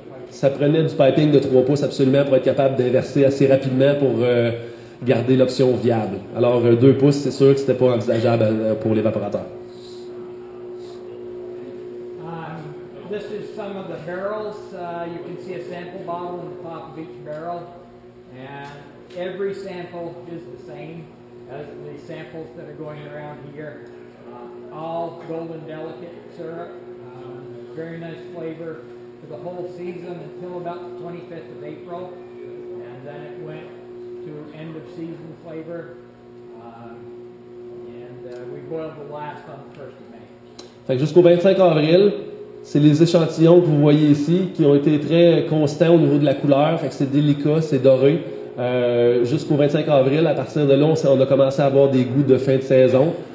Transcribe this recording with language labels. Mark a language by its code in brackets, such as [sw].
[fr] Ça prenait du piping de 3 pouces absolument pour être capable d'inverser assez rapidement pour garder l'option viable. Alors 2 pouces, c'est sûr que c'était pas envisageable pour l'évaporateur. [en] This is some of the barrels. You can see a sample bottle on the top of each barrel. And every sample is the same as the samples that are going around here. All golden delicate syrup. Very nice flavor for the whole season until about the 25th of April, and then it went to end of season flavor, and we boiled the last on the 1st of May. [fr] Fait que jusqu'au 25 avril, c'est les échantillons que vous voyez ici qui ont été très constants au niveau de la couleur, fait que c'est délicat, c'est doré. Jusqu'au 25 avril, à partir de là, on a commencé à avoir des goûts de fin de saison.